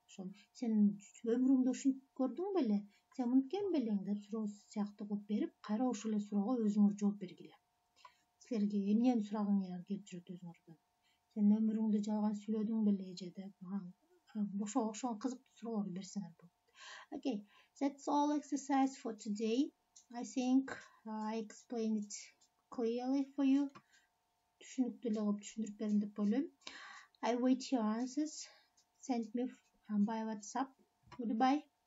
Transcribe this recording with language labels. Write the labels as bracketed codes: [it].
[ky] Ошон сен өмүрүңдө ушинтип көрдүң беле? Сен муну ким белең деп суроо сыяктуу кылып берип, кайра ушул эле суроого өзүңөр жооп бергиле. Силерге эмнени сурагаңар келип жүрөт өзүңөрдөн? Сен өмүрүңдө жалган сүйлөдүң беле же деп ошон кызыктуу суроолорду берсеңер болот. [en] Okay, that's all exercise for today. I think I explained it clearly for you. [ky] Түшүнүктүү кылып түшүндүрүп бердим деп ойлойм. [en] I wait your answers. Send me by WhatsApp. Goodbye.